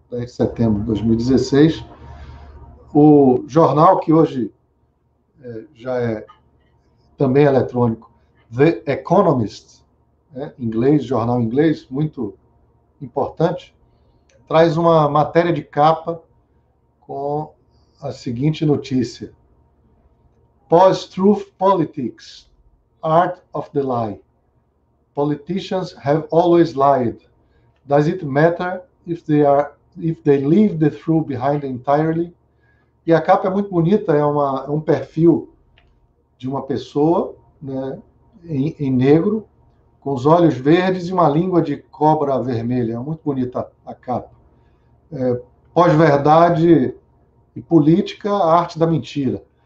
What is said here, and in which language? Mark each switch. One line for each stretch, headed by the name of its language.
Portuguese: 10 de setembro de 2016, o jornal que hoje já é também eletrônico, The Economist, né? Inglês, jornal inglês, muito importante, traz uma matéria de capa com a seguinte notícia:
English: Post-truth politics, art of the lie. Politicians have always lied. Does it matter if they leave the truth behind entirely?
Portuguese: E a capa é muito bonita, é um perfil de uma pessoa, né, em negro, com os olhos verdes e uma língua de cobra vermelha. É muito bonita a capa. Pós-verdade e política, a arte da mentira.